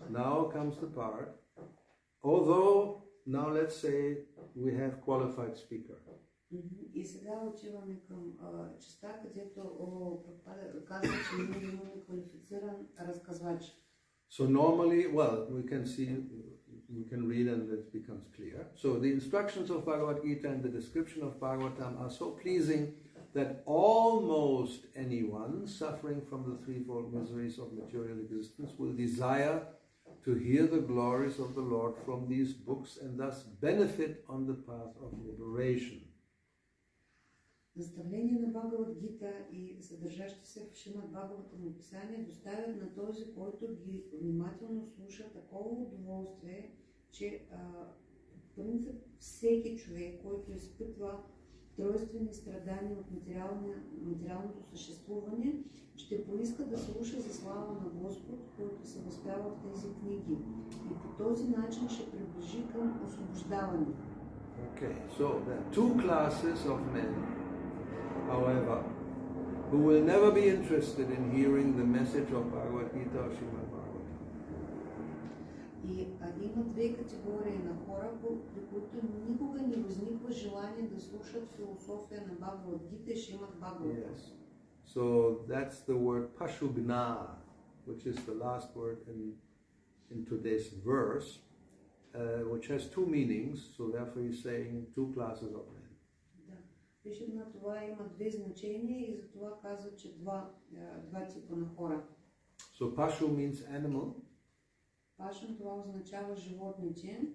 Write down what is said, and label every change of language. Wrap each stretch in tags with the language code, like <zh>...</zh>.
<en>Now comes the part, although, now let's say we have qualified speaker.</en> <bg>И сега отиваме към частта, където казва, че имаме квалифициран разказвач.</bg> <en>So normally, well, we can see, we can read and it becomes clear. So the instructions of Bhagavad Gita and the description of Bhagavatam are so pleasing that almost anyone suffering from the threefold miseries of material existence will desire to hear the glories of the Lord from these books and thus benefit on the path of liberation.</en> <bg>Наставление на Бхагавад Гита и съдържащи се в Шримад Бхагаватам описание доставят на този, който ги внимателно слуша, такова удоволствие, че в принцип всеки човек, който изпитва тройствени страдания от материалното съществуване, ще поиска да слуша за слава на Господ, който се възпява в тези книги, и по този начин ще приближи към освобождаване.</bg> <en>Okay, so there are two classes of men. However, who will never be interested in hearing the message of Bhagavad Gita or Srimad Bhagavatam.</en> <bg>И има две категории на хора, при които никога не възниква желание да слушат философия на Бхагавад Гита и Шримад Бхагаватам.</bg> <en>Yes. So that's the word Pashugna, which is the last word in today's verse, which has two meanings, so therefore he's saying two classes of men.</en> <bg>На това има две значения и затова казва, че два типа на хора.</bg> <en>So pashu means animal.</en> <bg>Pashu, това означава животниче.</bg>